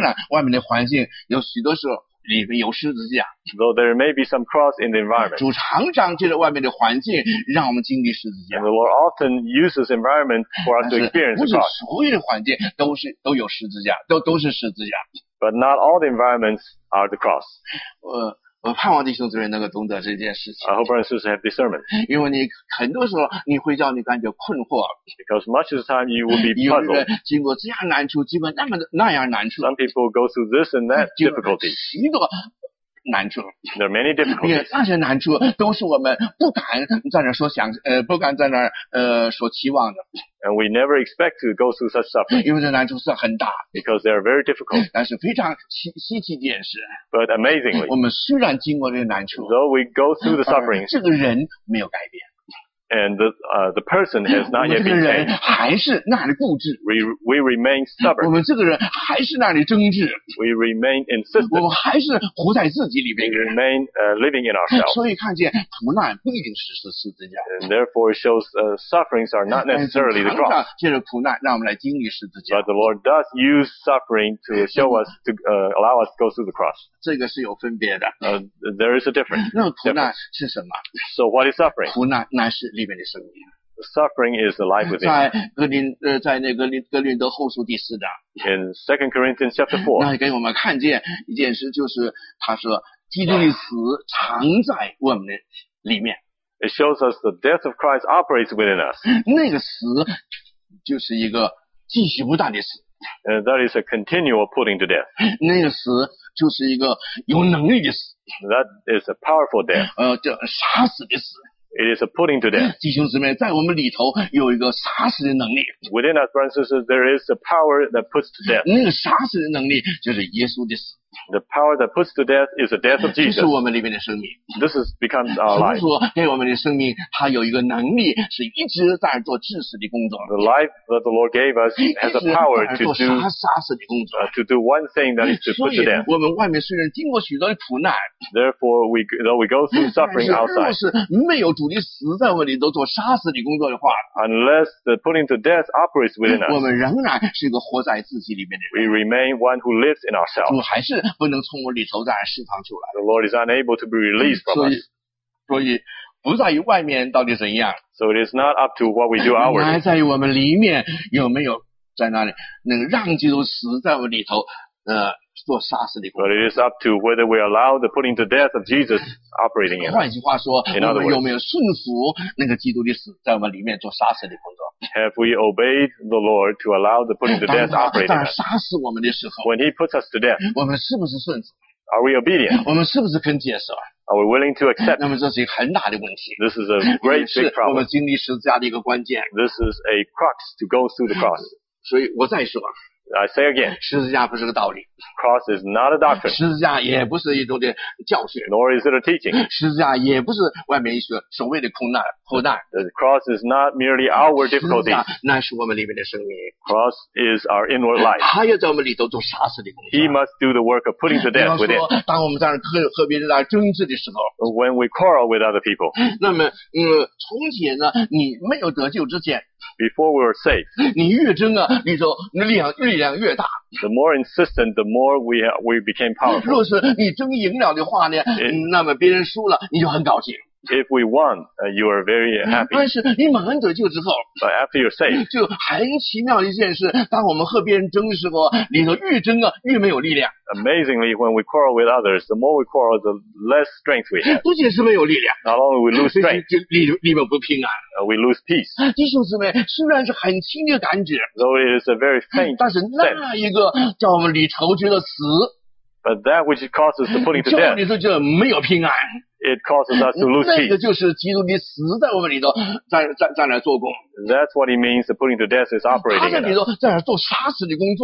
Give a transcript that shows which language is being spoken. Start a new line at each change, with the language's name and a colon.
Chinese: 当然，外面的环境有许多时候。里面有十字架。
English: Though there may be some cross in the environment.
Chinese: 主常常借着外面的环境让我们经历十字架。
English: The Lord often uses environment for us to experience the cross.
Chinese: 不是所有的环境都有十字架，都是十字架。
English: But not all the environments are the cross.
Chinese: 我盼望弟兄姊妹能够懂得这件事情。
English: I hope brothers and sisters have discernment.
Chinese: 因为你很多时候你会叫你感觉困惑。
English: Because much of the time you will be puzzled.
Chinese: 有人经过这样难处，经过那样难处。
English: Some people go through this and that difficulty.
Chinese: 许多难处。
English: There are many difficulties.
Chinese: 那些难处都是我们不敢在那说想，不敢在那说期望的。
English: And we never expect to go through such suffering.
Chinese: 因为这难处是很大。
English: Because they are very difficult.
Chinese: 但是非常稀奇的事。
English: But amazingly.
Chinese: 我们虽然经过这个难处。
English: Though we go through the sufferings.
Chinese: 这个人没有改变。
English: And the person has not yet been changed.
Chinese: 我们这个人还是那里固执。
English: We remain stubborn.
Chinese: 我们这个人还是那里争执。
English: We remain insistent.
Chinese: 我们还是活在自己里面。
English: We remain living in ourselves.
Chinese: 所以看见苦难不一定是十字架。
English: And therefore it shows sufferings are not necessarily the cross.
Chinese: 借着苦难让我们来经历十字架。
English: But the Lord does use suffering to show us, to allow us to go through the cross.
Chinese: 这个是有分别的。
English: There is a difference.
Chinese: 那苦难是什么？
English: So what is suffering?
Chinese: 苦难乃是里面的生命。
English: Suffering is the life within.
Chinese: 在哥林德后书第四章。
English: In 2 Corinthians chapter 4.
Chinese: 那给我们看见一件事，就是他说基督的死藏在我们的里面。
English: It shows us the death of Christ operates within us.
Chinese: 那个死就是一个继续不断的死。
English: And that is a continual putting to death.
Chinese: 那个死就是一个有能力的死。
English: That is a powerful death.
Chinese: 叫杀死的死。
English: It is a putting to death.
Chinese: 弟兄姊妹，在我们里头有一个杀死的能力。
English: Within us, brothers and sisters, there is a power that puts to death.
Chinese: 那个杀死的能力就是耶稣的死。
English: The power that puts to death is the death of Jesus.
Chinese: 这是我们里面的生命。
English: This is becomes our life.
Chinese: 神所给我们的生命，它有一个能力，是一直在做致死的工作。
English: The life that the Lord gave us has a power to do
Chinese: 杀死的工作。
English: To do one thing that is to put to death.
Chinese: 我们外面虽然经过许多的苦难
English: ，Therefore we go through suffering outside.
Chinese: 但是若是没有主的死在我们里头做杀死的工作的话
English: ，Unless the putting to death operates within us,
Chinese: 我们仍然是一个活在自己里面的人。
English: We remain one who lives in ourselves.
Chinese: 主还是不能从我里头再释放出来。
English: The Lord is unable to be released from us.
Chinese: 所以不在于外面到底怎样。
English: So it is not up to what we do outwardly.
Chinese: 还在于我们里面有没有在那里能让基督死在我里头，做杀死的工作。
English: But it is up to whether we allow the putting to death of Jesus operating in us.
Chinese: 换句话说，我们有没有顺服那个基督的死在我们里面做杀死的工作？
English: Have we obeyed the Lord to allow the putting to death operating?
Chinese: 当他杀死我们的时候
English: ，When he puts us to death,
Chinese: 我们是不是顺服
English: ？Are we obedient?
Chinese: 我们是不是肯接受
English: ？Are we willing to accept?
Chinese: 那么这是一个很大的问题。
English: This is a great big problem.
Chinese: 我们经历十字架的一个关键。
English: This is a crux to go through the cross.
Chinese: 所以我再说。
English: I say again,
Chinese: 十字架不是个道理。
English: Cross is not a doctrine.
Chinese: 十字架也不是一种的教训。
English: Nor is it a teaching.
Chinese: 十字架也不是外面一些所谓的苦难。
English: The cross is not merely our difficulties.
Chinese: 十字架乃是我们里面的生命。
English: Cross is our inward life.
Chinese: 他要在我们里头做杀死的工作。
English: He must do the work of putting to death within.
Chinese: 比方说，当我们在和别人来争执的时候。
English: When we quarrel with other people.
Chinese: 那么，从前呢，你没有得救之前。
English: Before we were saved.
Chinese: 你越争啊，你说力量越大。
English: The more insistent, the more we became powerful.
Chinese: 若是你争赢了的话呢，那么别人输了，你就很高兴。
English: If we won, you are very happy.
Chinese: 但是你蒙恩得救之后，
English: But after you're saved,
Chinese: 就很奇妙一件事，当我们和别人争的时候，你说越争啊，越没有力量。
English: Amazingly, when we quarrel with others, the more we quarrel, the less strength we have.
Chinese: 不仅是没有力量，
English: Not only we lose strength,
Chinese: 里面不平安。
English: We lose peace.
Chinese: 弟兄姊妹，虽然是很轻的感觉，
English: Though it is a very faint sense,
Chinese: 但是那一个叫我们里头觉得死。
English: But that which causes the putting to death,
Chinese: 就你说就没有平安。
English: It causes us to lose peace.
Chinese: 那个就是基督的死在我们里头，在那做工。
English: That's what he means. The putting to death is operating.
Chinese: 他在里头在那做杀死的工作。